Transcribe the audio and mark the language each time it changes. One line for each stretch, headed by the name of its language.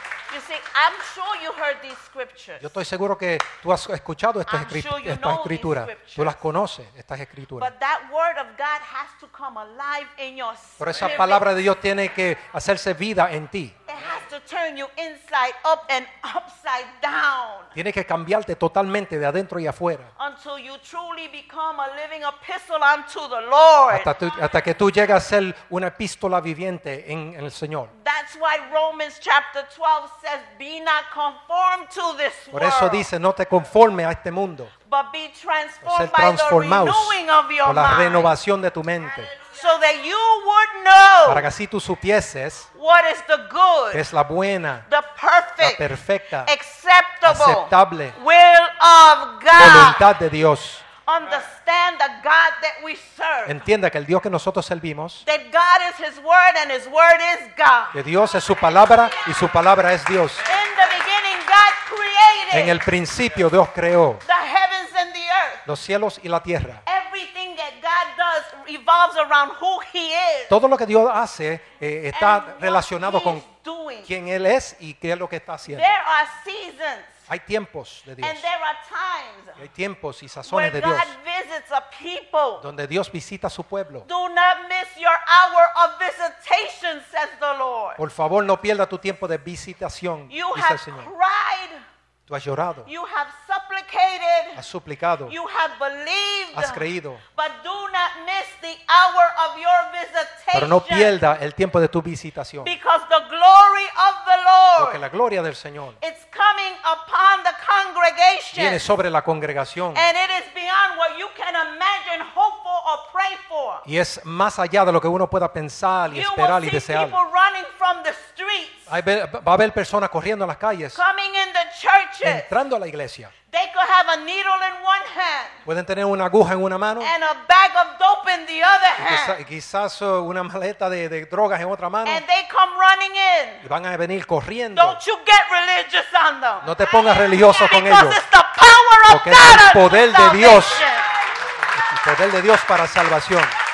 English: You see, I'm sure you heard these scriptures.
Spanish: Yo estoy seguro que tú has escuchado estas escrituras. Tú las conoces, estas escrituras.
English: But that word of God has to come alive in your spirit.
Spanish: Pero esa palabra de Dios tiene que hacerse vida en ti.
English: It has to turn you inside up and upside down.
Spanish: Tiene que cambiarte totalmente de adentro y afuera.
English: Until you truly become a living epistle unto the Lord.
Spanish: Hasta que tú llegas a ser una epístola viviente en el Señor.
English: That's why Romans chapter 12 says, "Be not conformed to this world."
Spanish: Por eso dice, no te conformes a este mundo.
English: But be transformed by the renewing of your mind.
Spanish: La renovación de tu mente.
English: So that you would know.
Spanish: Para que así tú supieses.
English: What is the good?
Spanish: Que es la buena.
English: The perfect.
Spanish: La perfecta.
English: Acceptable.
Spanish: Aceptable.
English: Will of God.
Spanish: Voluntad de Dios.
English: Understand the God that we serve.
Spanish: Entienda que el Dios que nosotros servimos.
English: That God is His word and His word is God.
Spanish: Que Dios es su palabra y su palabra es Dios.
English: In the beginning, God created.
Spanish: En el principio, Dios creó.
English: The heavens and the earth.
Spanish: Los cielos y la tierra.
English: Everything that God does revolves around who He is.
Spanish: Todo lo que Dios hace está
English: and
Spanish: relacionado con
English: doing.
Spanish: Quién Él es y qué es lo que está haciendo.
English: There are seasons.
Spanish: Hay tiempos de Dios.
English: And there are times
Spanish: hay tiempos y sazones de Dios.
English: Where God visits a people.
Spanish: Donde Dios visita a su pueblo.
English: Do not miss your hour of visitation, says the Lord.
Spanish: Por favor, no pierda tu tiempo de visitación,
English: you
Spanish: dice
English: have
Spanish: el Señor.
English: Cried.
Spanish: Tú has llorado.
English: You have supplicated.
Spanish: Has suplicado.
English: You have believed.
Spanish: Has creído.
English: But do not miss the hour of your visitation.
Spanish: Pero no pierda el tiempo de tu visitación.
English: Because the glory of the Lord.
Spanish: Porque la gloria del Señor.
English: It's coming upon the congregation.
Spanish: Viene sobre la congregación.
English: And it is beyond what you can imagine, hope for, or pray for.
Spanish: Y es más allá de lo que uno pueda pensar y esperar y desear.
English: You will see people running from the streets.
Spanish: va a haber personas corriendo a las calles,
English: coming in the churches,
Spanish: entrando a la iglesia.
English: They could have a needle in one hand,
Spanish: pueden tener una aguja en una mano,
English: and a bag of dope in the other hand,
Spanish: quizás una maleta de drogas en otra mano,
English: and they come running in,
Spanish: y van a venir corriendo.
English: Don't you get religious on them.
Spanish: No te pongas religioso con ellos,
English: because it's the power of
Spanish: porque es el poder de Dios, es el poder de Dios para salvación.